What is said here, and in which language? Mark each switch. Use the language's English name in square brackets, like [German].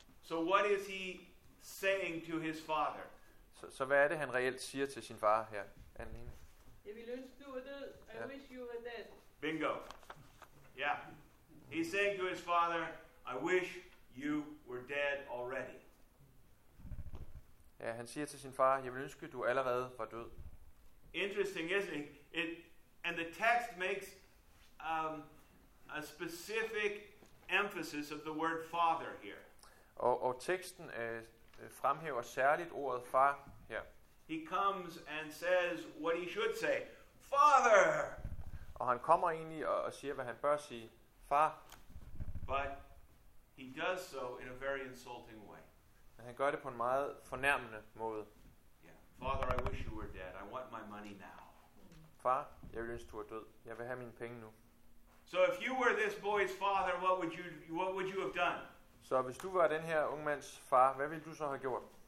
[English] So what is he saying to his father? [Danish] Så hvad er det, han reelt siger til sin far her? Anne Line. Jeg vil ønske, du var død. [English] I wish you were dead. Bingo. Yeah. He's saying to his father, I wish you were dead already. [Danish] Ja, han siger til sin far, jeg vil ønske, du allerede var død. [English] Interesting, isn't it? And the text makes a specific emphasis of the word father here. [Danish] Og teksten fremhæver særligt ordet far her. [English] He comes and says what he should say, father. [Danish] Og han kommer egentlig og siger, hvad han bør sige, far. [English] But he does so in a very insulting way. [Danish] Men han gør det på en meget fornærmende måde. [English] Yeah. Father, I wish you were dead. I want my money now. [Danish] Far, jeg vil ønske, du er død. Jeg vil have mine penge nu. [English] So if you were this boy's father, what would you have done? [Danish] Så hvis du var den her unge mands far, hvad ville du så have gjort?